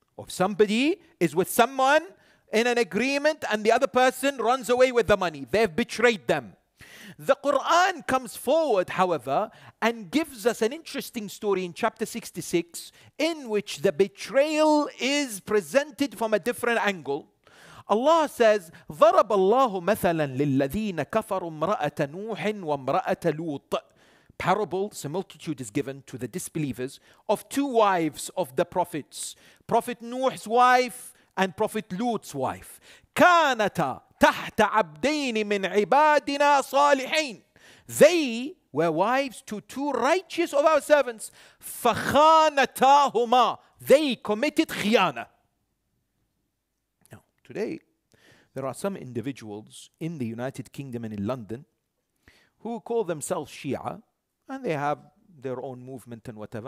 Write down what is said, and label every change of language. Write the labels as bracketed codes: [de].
[en] Or if somebody is with someone in an agreement and the other person runs away with the money, they've betrayed them. The Quran comes forward, however, and gives us an interesting story in chapter 66 in which the betrayal is presented from a different angle. Allah says, [ar] ضَرَبَ اللَّهُ مَثَلًا لِلَّذِينَ كَفَرُوا امْرَأَةَ نُوحٍ وَامْرَأَةَ لُوطٍ. [en] Parables, a multitude is given to the disbelievers of two wives of the prophets, Prophet Nuh's wife and Prophet Lut's wife. [ar] كَانَتَا تحت عبدين من عبادنا صالحين. [en] They were wives to two righteous of our servants. [ar] فخانتاهما. [en] They committed خيانة. Now, today, there are some individuals in the United Kingdom and in London who call themselves Shia, and they have their own movement and whatever.